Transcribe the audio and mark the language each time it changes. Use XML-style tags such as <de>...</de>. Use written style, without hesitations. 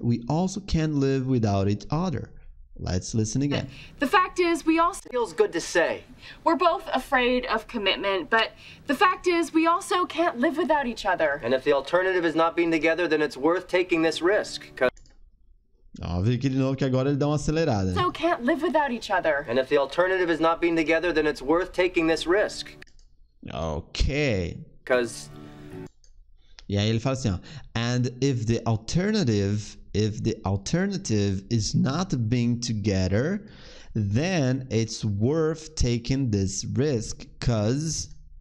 <en>We also can't live without each other. Let's listen again. The fact is we also... Feels good to say. We're both afraid of commitment, but the fact is we also can't live without each other. And if the alternative is not being together, then it's worth taking this risk, because...</en> <pt>Óbvio que de novo que agora ele dá uma acelerada.</pt> <en>So can't live without each other. And if the alternative is not being together, then it's worth taking this risk. Okay. Cause...</en> <pt>E aí ele fala assim, ó.</pt> <en>And if the alternative... If the alternative is not being together, then it's worth taking this risk, cause...</en>